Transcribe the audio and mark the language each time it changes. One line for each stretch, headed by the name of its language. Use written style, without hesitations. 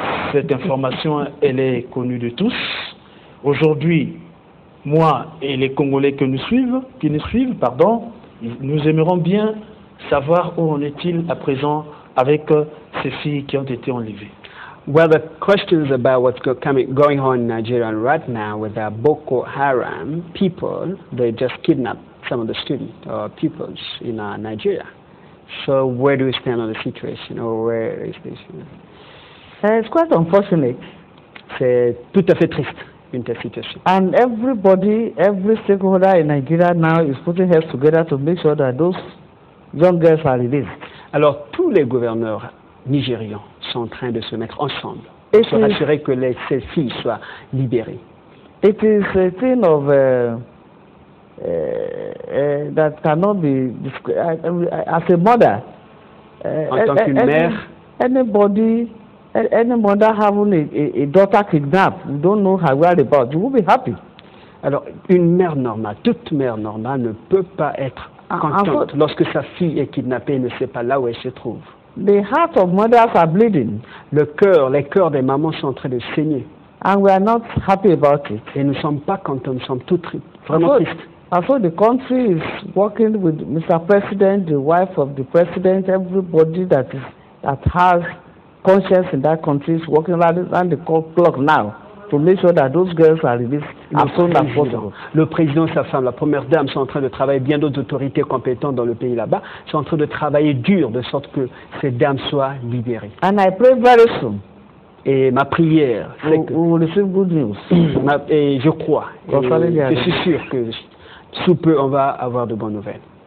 French: Cette information, elle est connue de tous. Aujourd'hui, moi et les Congolais qui nous suivent, nous aimerons bien savoir où en est-il à présent avec ces filles qui ont été enlevées.
English: Well, the question is about what's going on in Nigeria right now with the Boko Haram people. They just kidnapped some of the student pupils in Nigeria. So where do we stand on the situation, or where is this? It's quite unfortunate.
French: C'est tout à fait triste, une telle situation.
English: And everybody, every stakeholder in Nigeria now is putting heads together to make sure that those young girls are released.
French: Alors tous les gouverneurs nigérians sont en train de se mettre ensemble pour se rassurer que ces filles soient libérées.
English: It is a thing of that cannot be as a mother.
French: En tant qu'une mère,
English: any mother having a daughter kidnapped, you don't know her whereabouts, you will be happy.
French: Alors, une mère normale, toute mère normale ne peut pas être contente lorsque sa fille est kidnappée et ne sait pas là où elle se trouve.
English: The heart of mothers are bleeding.
French: Les cœurs des mamans sont en train de saigner.
English: And we are not happy about it.
French: Et nous ne sommes pas contents, nous sommes tout vraiment tristes.
English: Although the country is working with Mr. President, the wife of the president, everybody that is, that has conscience in that country is working around the clock now to make sure that those girls are released as soon as possible.
French: Le président, sa femme, la première dame sont en train de travailler. Bien d'autres autorités compétentes dans le pays là-bas sont en train de travailler dur de sorte que ces dames soient libérées.
English: And I pray very soon.
French: Et ma prière, c'est que
English: we will receive good news.
French: Et je crois, je suis sûr que sous peu, on va avoir de bonnes nouvelles.